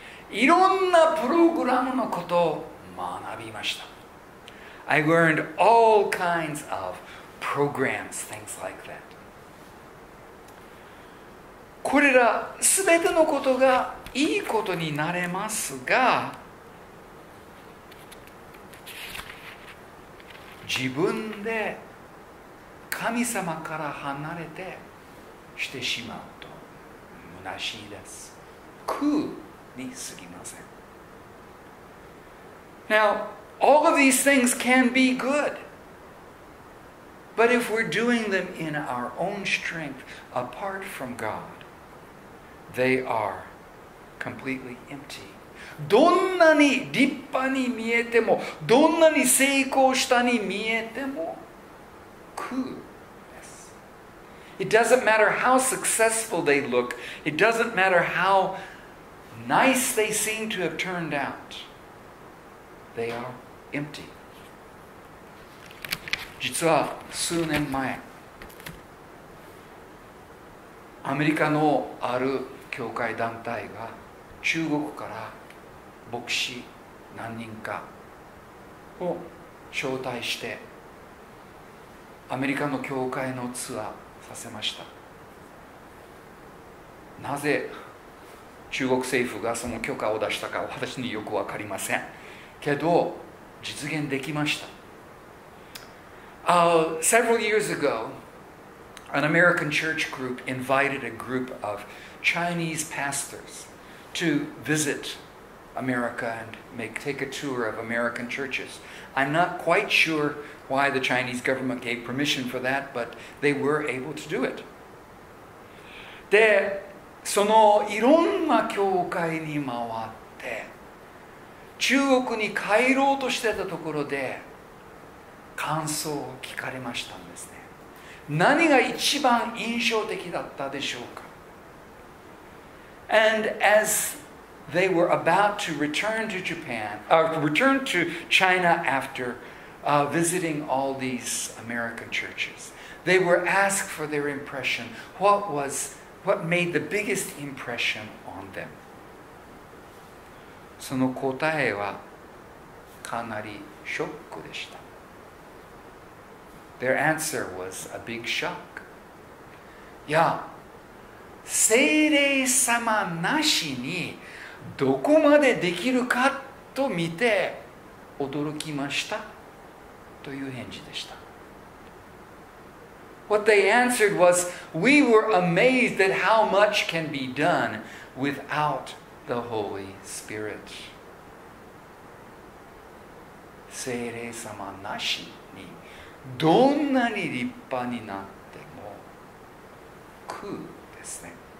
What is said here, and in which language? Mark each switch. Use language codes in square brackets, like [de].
[ja] いろんなプログラムのことを学びました。 [en] I learned all kinds of programs, things like that. [ja] これらすべてのことがいいことになれますが、自分で神様から離れてしてしまうと虚しいです。空にすぎません。 [en] Now,All of these things can be good. But if we're doing them in our own strength, apart from God, they are completely empty. [ja] どんなに立派に見えても、どんなに成功したに見えても、空です。 [en] It doesn't matter how successful they look. It doesn't matter how nice they seem to have turned out. They are empty. [ja] 実は数年前、アメリカのある教会団体が中国から牧師何人かを招待してアメリカの教会のツアーさせました。なぜ中国政府がその許可を出したか私によく分かりませんけど実現できました。 [en] Several years ago, an American church group invited a group of Chinese pastors to visit America and take a tour of American churches. I'm not quite sure why the Chinese government gave permission for that, but they were able to do it. [ja] で、そのいろんな教会に回って、中国に帰ろうとしてたところで、感想を聞かれましたんですね。何が一番印象的だったでしょうか? [en] And as they were about to return to Japan, return to China after visiting all these American churches, they were asked for their impression. What made the biggest impression on them? [ja] その答えはかなりショックでした。 [en] Their answer was a big shock. Yeah. [ja] 聖霊様なしにどこまでできるかと見て驚きましたという返事でした。 [en] What they answered was, we were amazed at how much can be done without the Holy Spirit. [ja] 聖霊様なしにどんなに立派になっても空ですね。